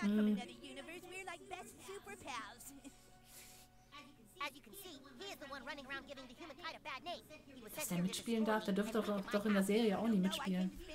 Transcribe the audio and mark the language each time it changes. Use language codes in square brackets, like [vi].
[de] bin nicht aus einem anderen Universum, wir sind die besten Superpals. [en] As you can see, he is the one running around giving the human kind of bad name. [de] Dass der mitspielen darf, der dürfte doch in der Serie auch nicht mitspielen.